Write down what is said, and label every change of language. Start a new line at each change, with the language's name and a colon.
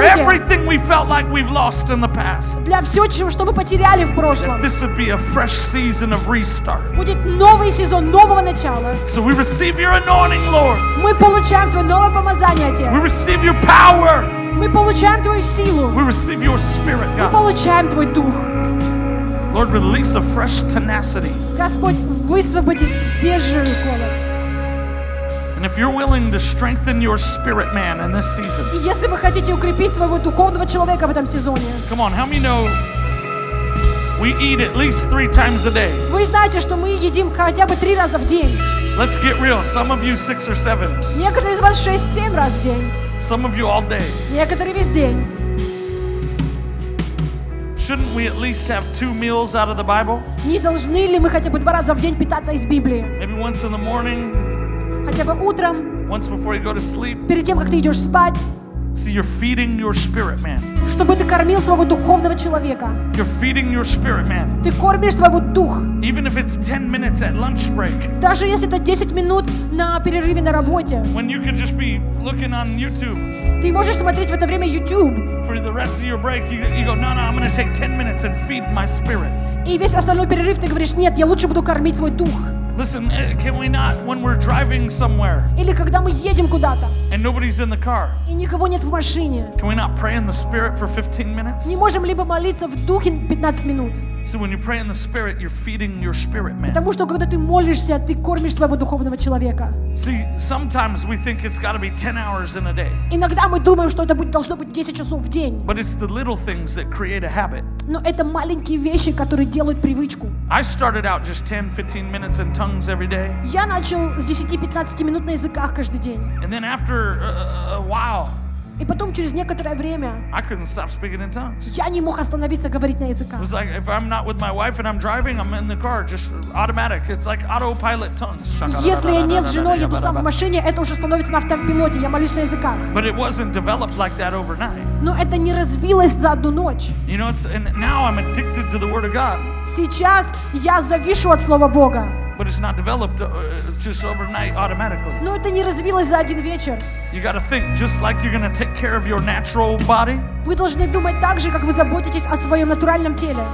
English: For everything we felt like we've lost in the past.
Russian: Для всего, что мы потеряли в прошлом.
English: That this would be a fresh season of restart.
Russian: Будет новый сезон нового начала.
English: So we receive your anointing, Lord.
Russian: Мы получаем твое новое помазание, Отец.
English: We receive your power.
Russian: Мы получаем твою силу.
English: We receive your spirit, God.
Russian: Мы получаем твой дух.
English: Lord, release a fresh tenacity.
Russian: Господь, высвободи свежую голову.
English: And if you're willing to strengthen your spirit man in this season.
Russian: И если вы хотите укрепить своего духовного человека в этом сезоне.
English: Come on, help me know. We eat at least 3 times a day.
Russian: Вы знаете, что мы едим хотя бы 3 раза в день.
English: Let's get real. Some of you 6 or 7.
Russian: Некоторые из вас 6-7 раз в день.
English: Some of you all day.
Russian: Некоторые весь день.
English: Shouldn't we at least have 2 meals out of the Bible?
Russian: Не должны ли мы хотя бы 2 раза в день питаться из Библии?
English: Maybe once in the morning.
Russian: Хотя бы утром.
English: Once before you go to sleep.
Russian: Перед тем, как ты идешь спать.
English: See, you're feeding your spirit man.
Russian: Чтобы ты кормил своего духовного человека.
English: You're feeding your spirit man.
Russian: Ты кормишь своего дух.
English: Even if it's 10 minutes at lunch break.
Russian: Даже если это 10 минут на перерыве на работе.
English: When you could just be looking on YouTube.
Russian: Ты можешь смотреть в это время YouTube.
English: For the rest of your break, you go, no, I'm going to take 10 minutes and feed my spirit.
Russian: И весь остальной перерыв ты говоришь, нет, я лучше буду кормить свой дух.
English: Listen, can we not, when we're driving somewhere,
Russian: или когда мы едем куда-то,
English: and nobody's in the car,
Russian: и никого нет в машине,
English: can we not pray in the Spirit for 15 minutes?
Russian: Не можем либо молиться в духе 15 минут.
English: So when you pray in the Spirit, you're feeding your spirit man.
Russian: Потому что когда ты молишься, ты кормишь своего духовного человека.
English: See, sometimes we think it's got to be 10 hours in a day.
Russian: Иногда мы думаем, что это должно быть 10 часов в день.
English: But it's the little things that create a habit.
Russian: Но это маленькие вещи, которые делают привычку.
English: I started out just 10-15 minutes in tongues every day.
Russian: Я начал с 10-15 минут на языках каждый день.
English: And then after a while.
Russian: И потом через некоторое время
English: I couldn't stop speaking in tongues.
Russian: Я не мог остановиться говорить на языках.
English: It was like if I'm not with my wife and I'm driving, I'm in the car, just automatic. It's like autopilot tongues.
Russian: Если я не с женой, еду сам в машине, это уже становится на автопилоте. Я молюсь на языках.
English: But it wasn't developed like that overnight.
Russian: Но это не развилось за одну ночь.
English: You know, and now I'm addicted to the Word of God.
Russian: Сейчас я завишу от Слова Бога.
English: But it's not developed just overnight automatically.
Russian: Но это не развилось за один вечер.
English: You got to think just like you're going to take care of your natural body.
Russian: Вы должны думать так же, как вы заботитесь о своем натуральном теле.